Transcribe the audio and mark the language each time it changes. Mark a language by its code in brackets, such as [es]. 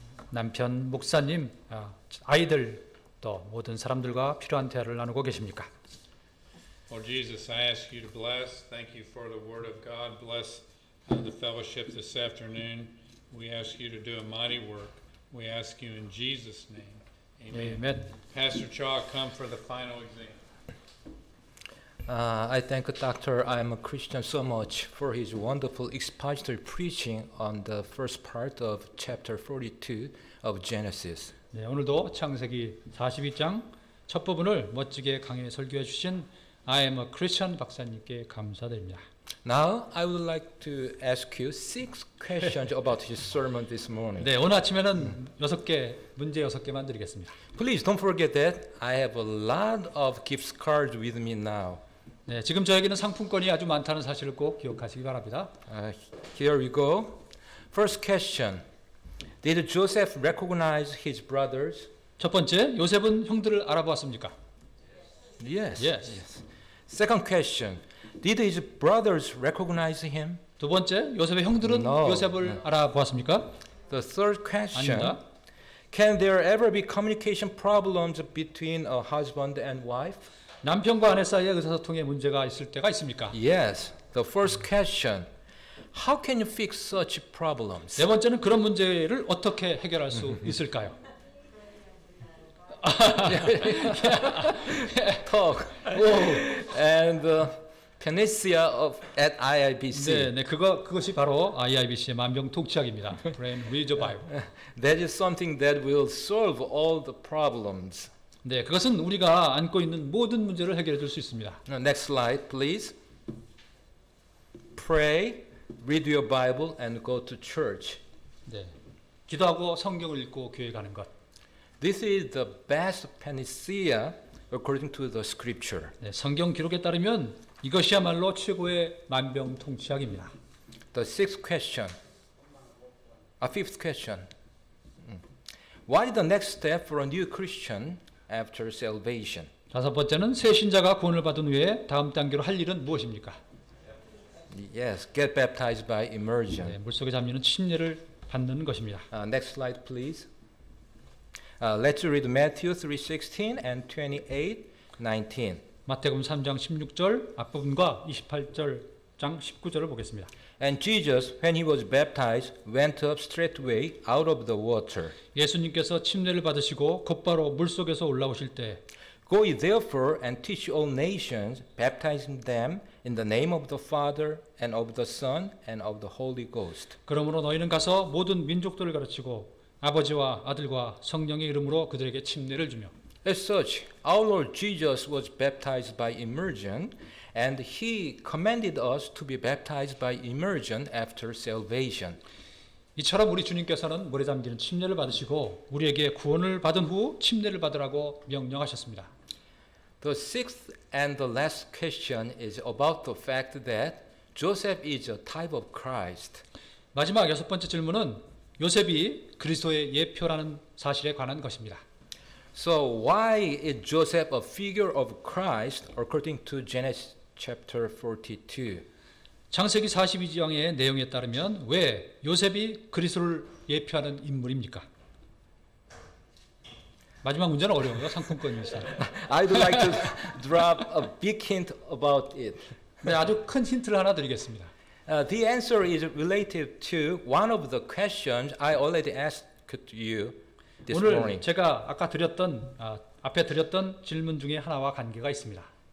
[ko] 남편, 목사님, 아이들 또 모든 사람들과 필요한 대화를 나누고 계십니까? [en] Lord Jesus, I ask you to bless. Thank you for the word of God. Bless the fellowship this afternoon. We ask you to do a mighty work. We ask you in Jesus' name. Amen. Amen. Pastor Cha, come for the final exam. I thank Dr. I am a Christian so much for his wonderful expository preaching on the first part of chapter 42 of Genesis. [ko] 네, 오늘도 창세기 42장 첫 부분을 멋지게 강해 설교해 주신 [en] I am a Christian [ko] 박사님께 감사드립니다. [en] Now I would like to ask you six questions about his sermon this morning. [ko] 네, 오늘 아침에는 여섯 개 문제 여섯 개만 드리겠습니다. [en] Please don't forget that I have a lot of gift cards with me now. [ko] 네, 지금 저에게는 상품권이 아주 많다는 사실을 꼭 기억하시기 바랍니다. [en] Here we go. First question. Did Joseph recognize his brothers? [ko] 첫 번째, 요셉은 형들을 알아보았습니까? [en] Yes. Yes. Yes. Second question. Did his brothers recognize him? [ko] 두 번째, 요셉의 형들은 [en] no. [ko] 요셉을 [en] no. [ko] 알아보았습니까? [en] The third question. [ko] 아닙니다. [en] Can there ever be communication problems between a husband and wife? [ko] 남편과 아내 사이에 의사소통에 문제가 있을 때가 있습니까? [en] Yes. The first question. How can you fix such problems? [ko] 네 번째는 그런 문제를 어떻게 해결할 수 있을까요? [en] talk. And panacea of at IIBC. [ko] 네, 네, 그것이 바로 IIBC의 만병통치약입니다. [en] Brain Revival. That is something that will solve all the problems. [ko] 네, 그것은 우리가 안고 있는 모든 문제를 해결해 줄 수 있습니다. [en] Next slide, please. Pray, read your Bible, and go to church. [ko] 네, 기도하고 성경을 읽고 교회 가는 것. [en] This is the best panacea according to the scripture. [ko] 네, 성경 기록에 따르면 이것이야말로 최고의 만병통치약입니다. [en] The sixth question, a fifth question. What is the next step for a new Christian after salvation? [ko] 다섯 번째는 새 신자가 구원을 받은 후에 다음 단계로 할 일은 무엇입니까? [en] Yes, get baptized by immersion. [ko] 네, 물속에 잠기는 침례를 받는 것입니다. [en] Next slide, please. Let's read Matthew 3:16 and 28:19. [ko] 마태복음 3장 16절 앞부분과 28절 장 19절을 보겠습니다. [en] And Jesus, when he was baptized, went up straightway out of the water. [ko] 예수님께서 침례를 받으시고 곧바로 물 속에서 올라오실 때. [en] Go ye therefore and teach all nations, baptizing them in the name of the Father and of the Son and of the Holy Ghost. [ko] 그러므로 너희는 가서 모든 민족들을 가르치고 아버지와 아들과 성령의 이름으로 그들에게 침례를 주며. [en] As such, our Lord Jesus was baptized by immersion, and he commanded us to be baptized by immersion after salvation. [ko] 이처럼 우리 주님께서는 물에 잠기는 침례를 받으시고 우리에게 구원을 받은 후 침례를 받으라고 명령하셨습니다. [en] The sixth and the last question is about the fact that Joseph is a type of Christ. [ko] 마지막 여섯 번째 질문은 요셉이 그리스도의 예표라는 사실에 관한 것입니다. [en] So why is Joseph a figure of Christ according to Genesis chapter 42? [ko] 창세기 42장의 내용에 따르면 왜 요셉이 그리스도를 예표하는 인물입니까? 마지막 문제는 어려운 거 상품권입니다. [en] I'd like to drop a big hint about it. [ko] 네, 아주 큰 힌트를 하나 드리겠습니다. [en] The answer is related to one of the questions I already asked you. [ko] 오늘 제가 아까 드렸던 앞에 드렸던 질문 중에 하나와 관계가 있습니다.